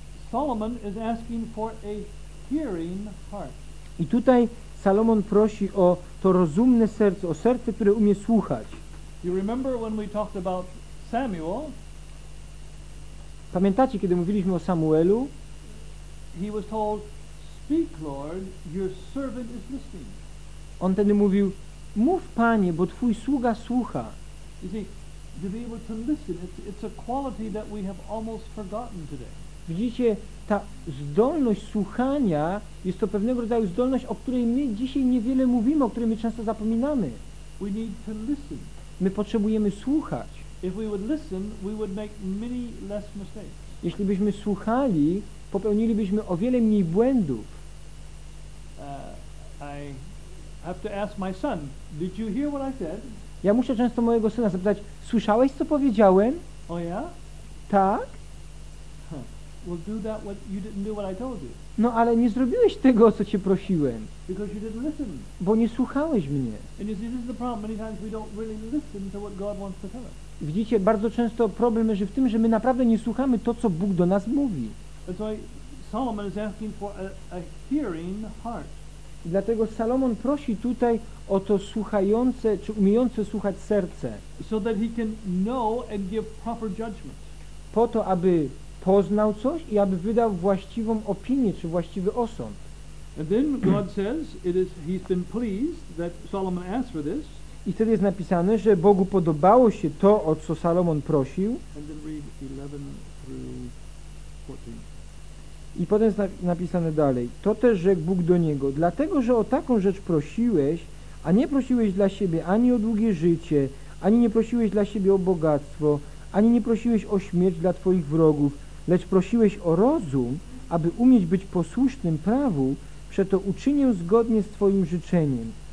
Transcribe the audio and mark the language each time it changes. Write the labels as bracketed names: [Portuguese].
[English] Solomon is asking for a hearing heart. [Polish] I tutaj Salomon prosi o to rozumne serce, o serce, które umie słuchać. [English] You remember when we talked about Samuel? [Polish] Pamiętacie, kiedy mówiliśmy o Samuelu? [English] He was told, "Speak, Lord, your servant is listening." [Polish] On wtedy mówił: "Mów, Panie, bo twój sługa słucha." [English] You see, to be able to listen, it's a quality that we have almost forgotten today. [Polish] Widzicie, ta zdolność słuchania jest to pewnego rodzaju zdolność, o której my dzisiaj niewiele mówimy, o której my często zapominamy. [English] We need to listen. [Polish] My potrzebujemy słuchać. [English] If we would listen, we would make many less mistakes. [Polish] Jeśli byśmy słuchali, popełnilibyśmy o wiele mniej błędów. [English] I have to ask my son, did you hear what I said? [Polish] Ja muszę często mojego syna zapytać, słyszałeś, co powiedziałem? [English] Oh, yeah? [Polish] Tak. [English] Well, do that what you didn't do what I told you. [Polish] No, ale nie zrobiłeś tego, co cię prosiłem. [English] Because you didn't listen. [Polish] Bo nie słuchałeś mnie. [English] And you see, this is the problem. Many times we don't really listen to what God wants to tell us. [Polish] Widzicie, bardzo często problem leży w tym, że my naprawdę nie słuchamy to, co Bóg do nas mówi. [English] And so Solomon is asking for a hearing heart. [Polish] I dlatego Salomon prosi tutaj o to słuchające, czy umiejące słuchać serce. [English] So that he can know and give proper judgment. [Polish] Po to, aby poznał coś i aby wydał właściwą opinię, czy właściwy osąd. [English] And then God says, it is, he's been pleased that Solomon asked for this. [Polish] I wtedy jest napisane, że Bogu podobało się to, o co Salomon prosił. [English] And then read 11 through 14. [Polish] I potem jest napisane dalej. To też rzekł Bóg do niego. Dlatego, że o taką rzecz prosiłeś, a nie prosiłeś dla siebie ani o długie życie, ani nie prosiłeś dla siebie o bogactwo, ani nie prosiłeś o śmierć dla twoich wrogów, lecz prosiłeś o rozum, aby umieć być posłusznym prawu, przeto uczynię zgodnie z twoim życzeniem.